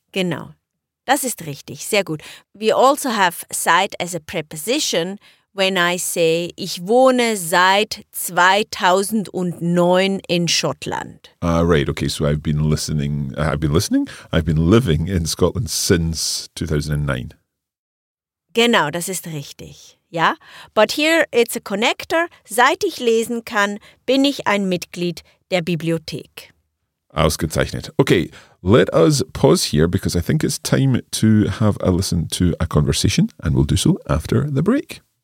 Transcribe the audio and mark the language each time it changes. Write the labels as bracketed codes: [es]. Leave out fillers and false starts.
[de] Genau. Das ist richtig. Sehr gut. [en] We also have seit as a preposition when I say, [de] ich wohne seit 2009 in Schottland. [en] Right, okay, so I've been living in Scotland since 2009. [de] Genau, das ist richtig, ja. [en] But here it's a connector. [de] Seit ich lesen kann, bin ich ein Mitglied der Bibliothek. Ausgezeichnet. [en] Okay, let us pause here because I think it's time to have a listen to a conversation and we'll do so after the break.